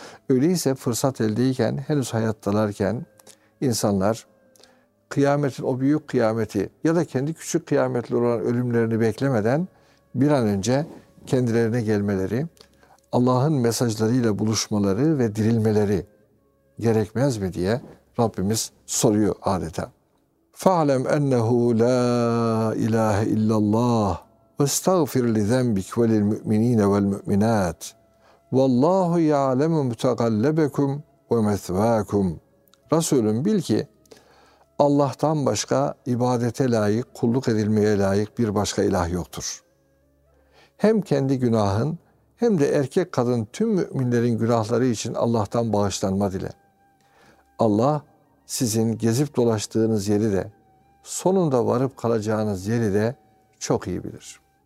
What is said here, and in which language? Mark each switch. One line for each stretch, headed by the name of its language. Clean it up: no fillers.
Turkish: Öyleyse fırsat eldeyken, henüz hayattalarken insanlar kıyametin o büyük kıyameti ya da kendi küçük kıyametli olan ölümlerini beklemeden bir an önce kendilerine gelmeleri, Allah'ın mesajlarıyla buluşmaları ve dirilmeleri gerekmez mi diye Rabbimiz soruyor adeta.
Arabic: فَعْلَمْ اَنَّهُ لَا اِلَٰهَ اِلَّا اللّٰهِ وَاسْتَغْفِرْ لِذَنْبِكَ وَلِلْمُؤْمِنِينَ وَالْمُؤْمِنَاتِ وَاللّٰهُ يَعْلَمُ مُتَقَلَّبَكُمْ وَمَثْوَاكُمْ
Turkish: Resulüm bil ki Allah'tan başka ibadete layık, kulluk edilmeye layık bir başka ilah yoktur. Hem kendi günahın hem de erkek kadın tüm müminlerin günahları için Allah'tan bağışlanma dile. Allah sizin gezip dolaştığınız yeri de sonunda varıp kalacağınız yeri de çok iyi bilir.